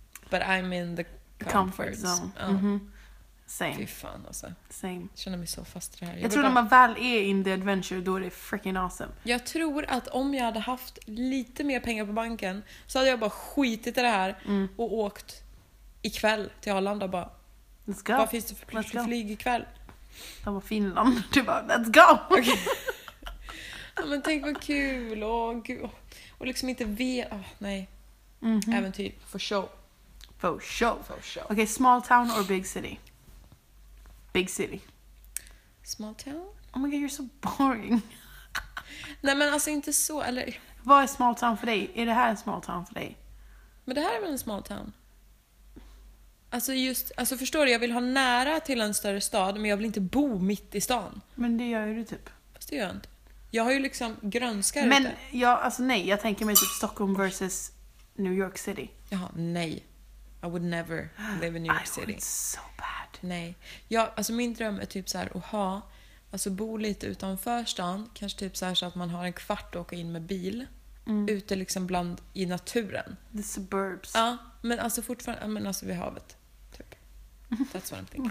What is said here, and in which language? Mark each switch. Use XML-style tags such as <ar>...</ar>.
<en>But I'm in the comfort zone. Same.</en> <sv>Fy fan alltså.</sv> <en>Same.</en> <sv>Jag känner mig så fast i det här. Jag tror bara... när man väl är</sv> <en>in the adventure,</en> <sv>då är det</sv> <en>freaking awesome.</en> <sv>Jag tror att om jag hade haft lite mer pengar på banken, så hade jag bara skitit i det här och åkt ikväll till Arlanda och bara,</sv> <en>let's go.</en> <sv>Vad finns det för flyg ikväll? Det var Finland. Du bara,</sv> <en>let's go.</en> <sv>Okay. Men tänk vad kul. Åh, och liksom inte veta. Oh, nej. Mm-hmm. Äventyr.</sv> <en>For show. For show. For show. Okej, okay, small town or big city? Big city. Small town? Oh my god, you're so boring.</en> <sv>Nej, men alltså inte så, eller... Vad är small town för dig? Är det här en small town för dig? Men det här är väl en small town? Alltså just... Alltså förstår du, jag vill ha nära till en större stad, men jag vill inte bo mitt i stan. Men det gör ju du typ. Fast det gör jag inte. Jag har ju liksom grönska. Men, ute. Jag, alltså nej, jag tänker mig typ Stockholm versus New York City. Jaha, nej.</sv> <en>I would never live in New York City. So bad.</en> <sv>Nej. Jag, alltså min dröm är typ så här att ha, alltså bo lite utanför stan, kanske typ så här så att man har en kvart att åka in med bil ute liksom bland i naturen.</sv> <en>The suburbs.</en> <sv>Ja, men alltså fortfarande, men alltså vid havet typ.</sv> <en>That's what I'm thinking.</en>